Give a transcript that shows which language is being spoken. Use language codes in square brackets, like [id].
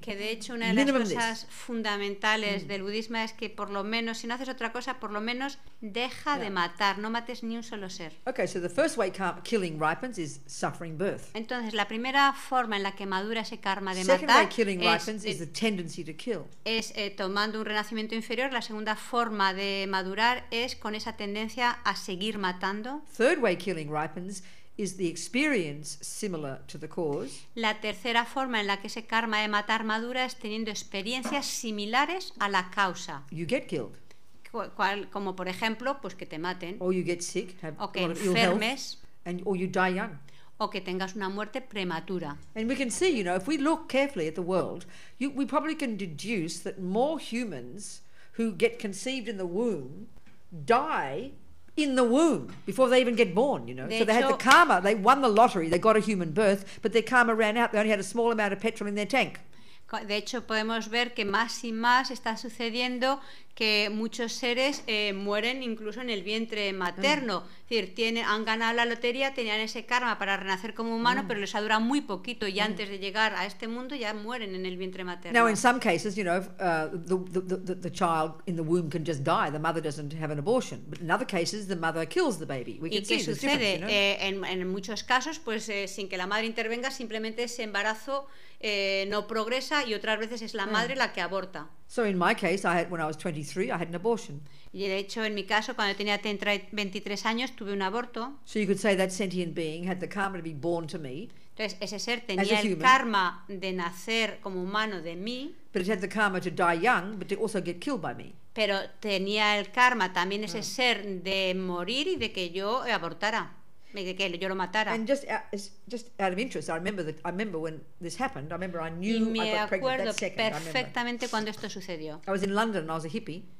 [es] Que de hecho una de las cosas fundamentales del budismo es que por lo menos si no haces otra cosa, por lo menos deja de matar, no mates ni un solo ser. [en] Okay, so the first way killing ripens is suffering birth. [es] Entonces la primera forma en la que madura ese karma de [en] Second [es] matar [en] way killing ripens is the tendency to kill. [es] Es tomando un renacimiento inferior. La segunda forma de madurar es con esa tendencia a seguir matando. [en] Third way killing ripens is the experience similar to the cause. [es] La tercera forma en la que ese karma de matar madura es teniendo experiencias similares a la causa. [en] You get killed. [es] Como por ejemplo, pues que te maten. [en] Or you get sick, have [es] o que enfermes. [en] And, or you die young. [es] O que tengas una muerte prematura. [en] And we can see, you know, if we look carefully at the world, we probably can deduce that more humans who get conceived in the womb die in the womb before they even get born, you know. [es] De [en] so they [es] hecho, [en] had the karma, they won the lottery, they got a human birth, but their karma ran out, they only had a small amount of petrol in their tank. [es] De hecho podemos ver que más y más está sucediendo que muchos seres mueren incluso en el vientre materno. Es decir, han ganado la lotería, tenían ese karma para renacer como humano, pero les ha durado muy poquito y antes de llegar a este mundo ya mueren en el vientre materno. [en] Now in some cases, you know, the child in the womb can just die, the mother doesn't have an abortion. But in other cases the mother kills the baby. We [es] ¿Y qué [en] see [es] sucede? [en] You know? [es] En muchos casos, pues sin que la madre intervenga, simplemente ese embarazo no progresa y otras veces es la madre la que aborta. [en] So in my case, when I was 23, I had an abortion. [es] Y de hecho, en mi caso, cuando tenía 23 años, tuve un aborto. [en] So you could say that sentient being had the karma to be born to me. [es] Entonces ese ser tenía el karma de nacer como humano de mí. [en] But it had the karma to die young, but to also get killed by me. [es] Pero tenía el karma también ese ser de morir y de que yo abortara. Que yo lo matara. [en] And just out of interest, I remember when this happened. I remember I knew I got pregnant that second. [es] Y me acuerdo perfectamente cuando esto sucedió. [en] I was in London and I was a hippie.